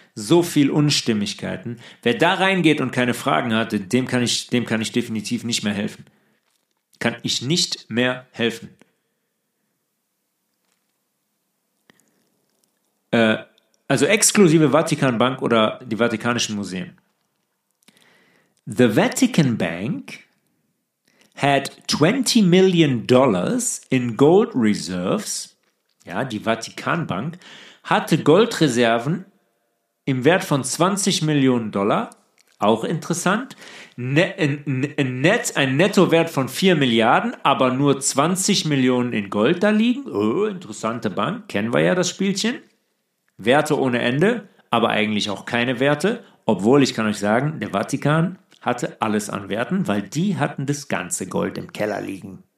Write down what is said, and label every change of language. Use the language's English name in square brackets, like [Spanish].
[German] So viel Unstimmigkeiten. Wer da reingeht und keine Fragen hatte, dem kann ich definitiv nicht mehr helfen. Kann ich nicht mehr helfen. Also exklusive Vatikanbank oder die Vatikanischen Museen. [English] The Vatican Bank had $20 million in gold reserves. [German] Ja, die Vatikanbank hatte Goldreserven im Wert von $20 million. Auch interessant. Ein Nettowert von 4 Milliarden, aber nur 20 Millionen in Gold da liegen. Oh, interessante Bank. Kennen wir ja das Spielchen. Werte ohne Ende, aber eigentlich auch keine Werte, obwohl ich kann euch sagen, der Vatikan hatte alles an Werten, weil die hatten das ganze Gold im Keller liegen.